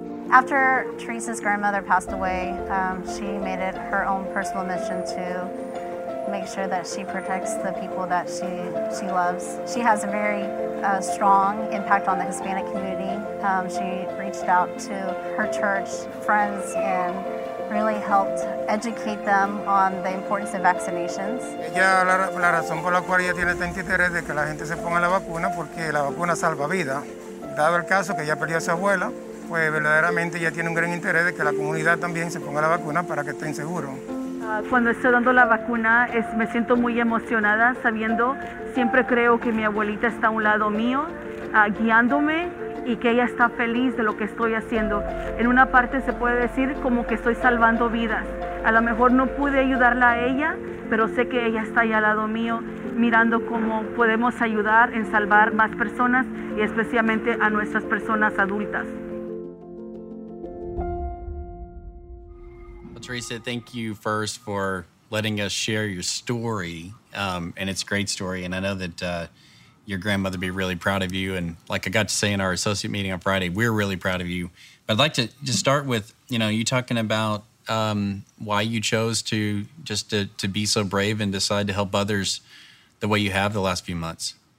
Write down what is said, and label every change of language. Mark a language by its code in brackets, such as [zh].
[en] After Teresa's grandmother passed away, she made it her own personal mission to make sure that she protects the people that she loves. She has a very strong impact on the Hispanic community. She reached out to her church, friends, and really helped educate them on the importance of vaccinations. [es] Ella, la razón por la cual ella tiene tanto interés de que la gente se ponga la vacuna, porque la vacuna salva vida. Dado el caso que ella perdió a su abuela, pues verdaderamente ella tiene un gran interés de que la comunidad también se ponga la vacuna para que estén seguros. Cuando estoy dando la vacuna, me siento muy emocionada, sabiendo, siempre creo que mi abuelita está a un lado mío, guiándome, y que ella está feliz de lo que estoy haciendo. En una parte se puede decir como que estoy salvando vidas. A lo mejor no pude ayudarla a ella, pero sé que ella está ahí al lado mío, mirando cómo podemos ayudar en salvar más personas, y especialmente a nuestras personas adultas. [en] Teresa, thank you first for letting us share your story, and it's a great story, and I know that your grandmother would be really proud of you, and like I got to say in our associate meeting on Friday, we're really proud of you. But I'd like to just start with, you know, you talking about why you chose to just to be so brave and decide to help others the way you have the last few months.